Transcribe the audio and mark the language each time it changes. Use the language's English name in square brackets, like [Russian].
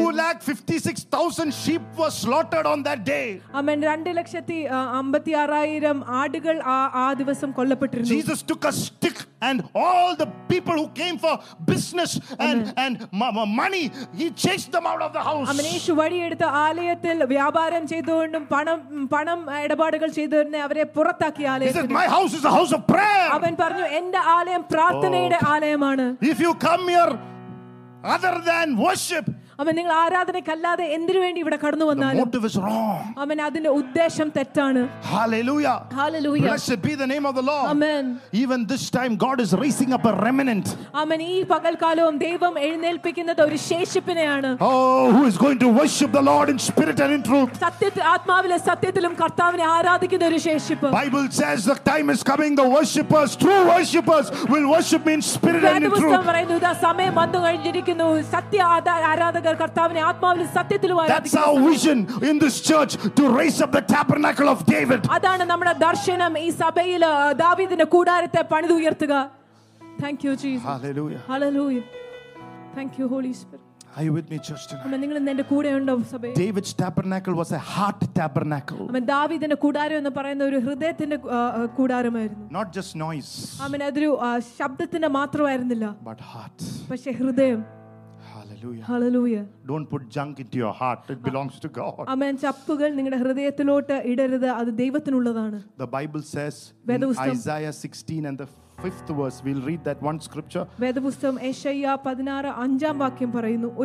[English] 256,000 sheep were slaughtered on that day. [Malayalam] Amen. 256,000 ആടുകൾ ആ ദിവസം കൊല്ലപ്പെട്ടിരുന്നു. [English] Jesus took a stick and all the people who came for business and money, he chased them out of the house. [Malayalam] അമ്മ യേശു വഴി എടുത്ത ആലയത്തിൽ വ്യാപാരം ചെയ്തുകൊണ്ടും പണം ഇടപാടുകൾ ചെയ്തുകൊണ്ടും അവരെ പുറത്താക്കി ആലയത്തിൽ. [English] He said, my house is a house of prayer. [Malayalam] അവൻ പറഞ്ഞു എൻ്റെ ആലയം പ്രാർത്ഥനയുടെ ആലയമാണ്. [English] If you come here other than worship, [Malayalam] അമ്മ നിങ്ങൾ ആരാധനയ്ക്കല്ലാതെ എന്തിനു വേണ്ടി ഇവിടെ കടന്നു വന്നാലും. [English] The motive is wrong. [Malayalam] അമ്മ അതിന്റെ ഉദ്ദേശം തെറ്റാണ്. [English] Hallelujah. Hallelujah. Blessed be the name of the Lord. Amen. Even this time God is raising up a remnant. [Malayalam] അമ്മ ഈ പകൽക്കാലവും ദൈവം എഴുന്നേൽപ്പിക്കുന്നത് ഒരു ശേഷിപ്പിനെയാണ്. [English] Oh, who is going to worship the Lord in spirit and in truth? [Malayalam] സത്യത്തിൽ ആത്മാവിലും സത്യത്തിലും കർത്താവിനെ ആരാധിക്കുന്ന ഒരു ശേഷിപ്പ്. [English] Bible says the time is coming, the worshipers, true worshipers will worship me in spirit and in truth. [Malayalam] വേദപുസ്തകം പറയുന്നു ദാ സമയം വന്നു കഴിഞ്ഞിരിക്കുന്നു സത്യ ആരാധന കർത്താവിനെ ആത്മാവിലും സത്യത്തിലും ആരാധിക്കുന്നു. [English] That's our vision in this church, to raise up the tabernacle of David. [Malayalam] അതാണ് നമ്മുടെ ദർശനം ഈ സഭയിൽ ദാവീദിന്റെ കൂടാരത്തെ പണിതുയർത്തുക. [English] Thank you Jesus. Hallelujah. Hallelujah. Thank you Holy Spirit. Are you with me, church tonight? [Malayalam] Amen. നിങ്ങൾ എന്നെ കൂടെ ഉണ്ടോ സഭയേ? [English] David's tabernacle was a heart tabernacle. [Malayalam] അമേൻ. ദാവീദിന്റെ കൂടാരം എന്ന് പറയുന്ന ഒരു ഹൃദയത്തിന്റെ കൂടാരമായിരുന്നു. [English] Not just noise. [Malayalam] അമേൻ. അതൊരു ശബ്ദത്തിന്റെ മാത്രമായിരുന്നില്ല. [English] But heart. [Malayalam] പക്ഷേ ഹൃദയം. [English] Hallelujah. Hallelujah. Don't put junk into your heart. It belongs to God. Amen. [Malayalam] ചപ്പുകൾ നിങ്ങളുടെ ഹൃദയത്തിലോട്ട് ഇടരുത്. അത് ദൈവത്തിനുള്ളതാണ്. [English] The Bible says in Isaiah 16 and the 5th verse, we'll read that one scripture. [Malayalam] വേദപുസ്തകം Isaiah 16 അഞ്ചാം വാക്യം പറയുന്നു.